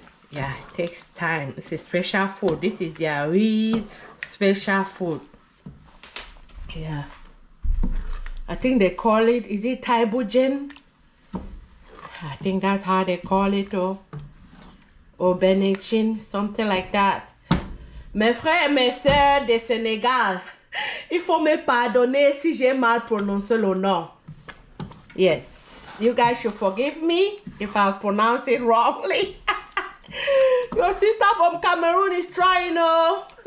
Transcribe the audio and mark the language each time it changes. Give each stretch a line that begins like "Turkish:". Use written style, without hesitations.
English: Yeah, it takes time. It's a special food. This is their real special food. Yeah. I think they call it, is it Thieboudienne? I think that's how they call it, oh. Or Benichin, something like that.
French: Mes frères et mes sœurs de Sénégal, il faut me pardonner si j'ai mal prononcé le nom.
English: Yes, you guys should forgive me if I pronounce it wrongly. Your sister from Cameroon is trying, oh.